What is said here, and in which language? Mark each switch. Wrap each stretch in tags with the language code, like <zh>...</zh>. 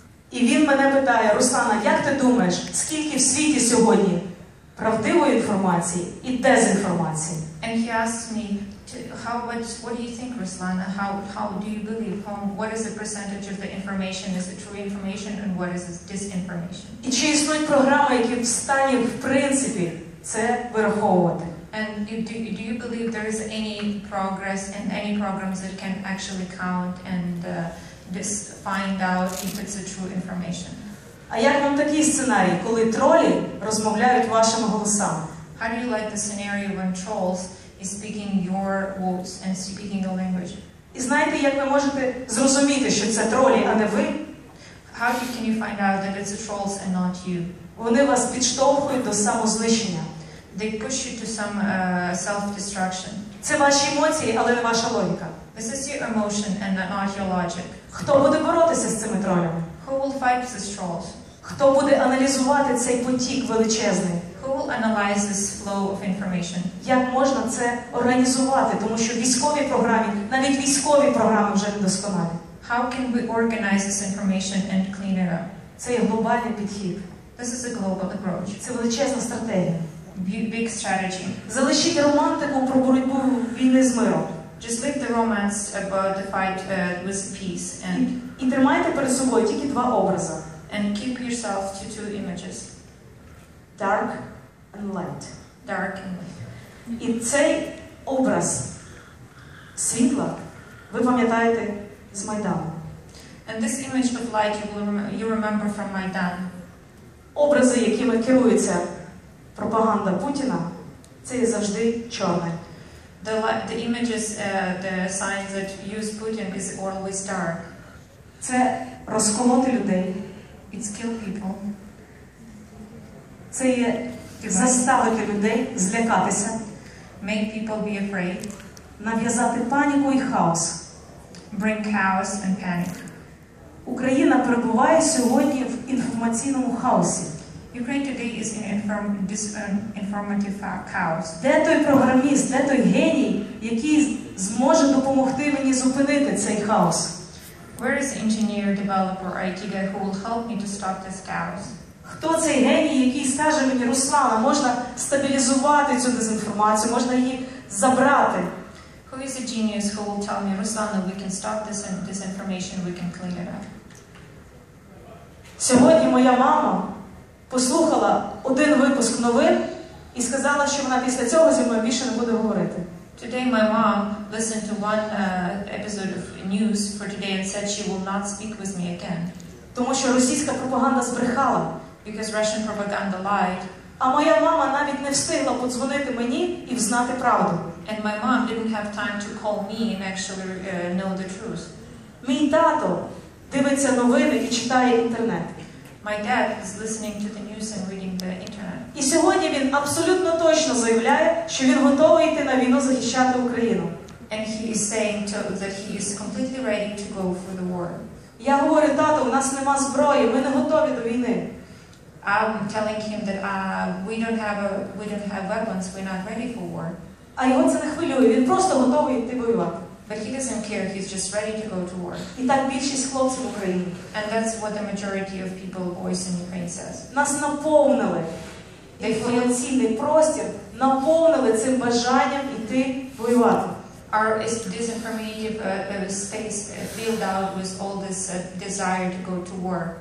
<uk>І він мене питає: "Руслана, як ти думаєш, скільки в світі сьогодні правдивої інформації і дезінформації?"</uk> <en>And he asked me, what do you think, Ruslana? How do you believe? What is the percentage of the information? Is it true information and what is disinformation?</en> <uk>І чи існують програми, які в стані, в принципі, це вираховувати?</uk> <en>And do you believe there is any progress and any programs that can actually count and just find out if it's a true information?</en> <uk>А як вам такий сценарій, коли тролі розмовляють вашими голосами?</uk> <en>How do you like the scenario when trolls is speaking your words and speaking the language?</en> <uk>І знаєте, як ви можете зрозуміти, що це тролі, а не ви?</uk> <en>How can you find out that it's the trolls and not you?</en> <uk>Вони вас підштовхують до самознищення.</uk> <en>They push you to some self-destruction.</en> <uk>Це ваші емоції, але не ваша логіка.</uk> <en>This is your emotion and not your logic.</en> <uk>Хто буде боротися з цими тролями?</uk> <en>Who will fight with these trolls?</en> <uk>Хто буде аналізувати цей потік величезний?</uk> <en>Who will analyze this flow of information?</en> <uk>Як можна це організувати, тому що військові програми, навіть військові програми вже недосконалі.</uk> <en>How can we organize this information and clean it up?</en> <uk>Це є глобальний підхід.</uk> <en>This is a global approach.</en> <uk>Це величезна стратегія.</uk> <en>big strategy.</en> <uk>Залишіть романтику про боротьбу війни з миром.</uk> <en>Just leave the romance about the fight with peace and</en> <uk>і тримайте перед собою тільки два образи.</uk> <en>And keep yourself to two images. Dark and light. Dark and light.</en> <uk>І цей образ світла ви пам'ятаєте з Майдану.</uk> <en>And this image of light you remember from Майдан.</en> <uk>Образи, якими керується пропаганда Путіна, це є завжди чорне.</uk> <en>The images, the signs that use Putin is always dark.</en> <uk>Це розколоти людей.</uk> <en>It's kill people.</en> <uk>Це є заставити людей злякатися.</uk> <en>Make people be afraid.</en> <uk>Нав'язати паніку і хаос.</uk> <en>Bring chaos and panic.</en> <uk>Україна перебуває сьогодні в інформаційному хаосі.</uk> <en>Ukraine today is in informative chaos.</en> <uk>Де той програміст, де той геній, який зможе допомогти мені зупинити цей хаос?</uk> <en>Where is engineer, developer, IT guy who will help me to stop this chaos?</en> <uk>Хто цей геній, який скаже мені: Руслана, можна стабілізувати цю дезінформацію, можна її забрати?</uk> <en>Who is a genius who will tell me, Руслана, we can stop this disinformation, we can clean it up?</en> <uk>Сьогодні моя мама послухала один випуск новин і сказала, що вона після цього зі мною більше не буде говорити.</uk> <en>Today my mom listened to one episode of news for today and said she will not speak with me again.</en> <uk>Тому що російська пропаганда збрехала.</uk> <en>Because Russian propaganda lied.</en> <uk>А моя мама навіть не встигла подзвонити мені і взнати правду.</uk> <en>And my mom didn't have time to call me and actually know the truth.</en> <uk>Мій тато дивиться новини і читає інтернет.</uk> <en>My dad is listening to the news and reading the internet.</en> <uk>І сьогодні він абсолютно точно заявляє, що він готовий йти на війну захищати Україну.</uk> <en>And he is saying that he is completely ready to go for the war.</en> <uk>Я говорю: тато, у нас нема зброї, ми не готові до війни.</uk> <en>I'm telling him that we don't have weapons, we're not ready for war.</en> <uk>А його це не хвилює, він просто готовий йти воювати.</uk> <en>But he doesn't care, he's just ready to go to war.</en> <uk>І так більшість хлопців в Україні.</uk> <en>And that's what the majority of people voice in Ukraine says.</en> <uk>Нас наповнили. Інформаційний простір наповнили цим бажанням йти воювати.</uk> <en>Our disinformative space filled out with all this desire to go to war.</en>